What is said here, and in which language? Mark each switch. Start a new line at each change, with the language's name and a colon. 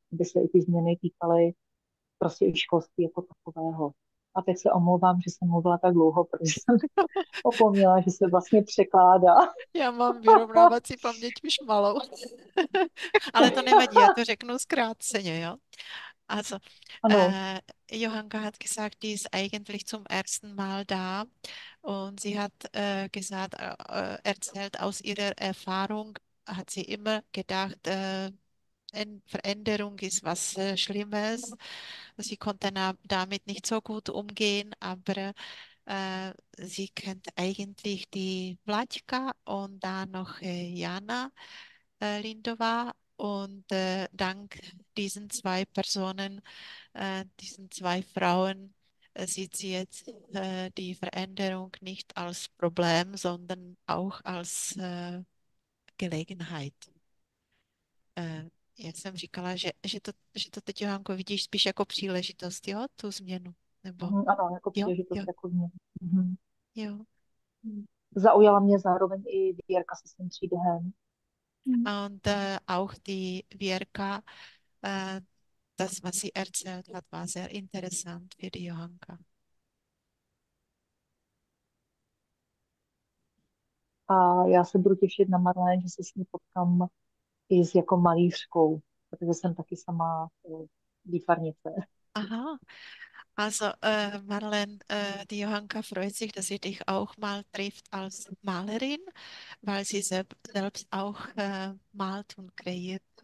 Czech: aby se i ty změny týkaly prostě i školství jako takového. A teď se omlouvám, že jsem mluvila tak dlouho, protože jsem opomněla, že se vlastně překládá. Já mám vyrovnávací paměť už malou, ale to nevadí, já to řeknu zkráceně, jo.
German: Also,
Czech: Ano.
German: Johanka hat gesagt, die ist eigentlich zum ersten Mal da und sie hat gesagt, erzählt aus ihrer Erfahrung, hat sie immer gedacht, Veränderung ist was Schlimmes. Sie konnte na damit nicht so gut umgehen, aber sie kennt eigentlich die Vladka und dann noch Jana Lindova. Und dank diesen zwei Personen, diesen zwei Frauen, sieht sie jetzt die Veränderung nicht als Problem, sondern auch als Gelegenheit.
Czech: Já jsem říkala, že to teď, Johanko, vidíš spíš jako příležitost, jo, tu změnu, nebo, Ano, jako příležitost jo, jako mě. jo. Zaujala mě zároveň i Věrka se svým příběhem.
German: Und auch die Vierka, das, was sie erzählt hat, war sehr interessant für die Johanka.
Czech: A já se budu těšit na Marlene, že se s ní potkám i s jako malířkou, protože jsem taky sama výtvarnice.
German: Aha, also Marlene, die Johanka freut sich, dass sie dich auch mal trifft als Malerin, weil sie selbst auch malt und kreiert.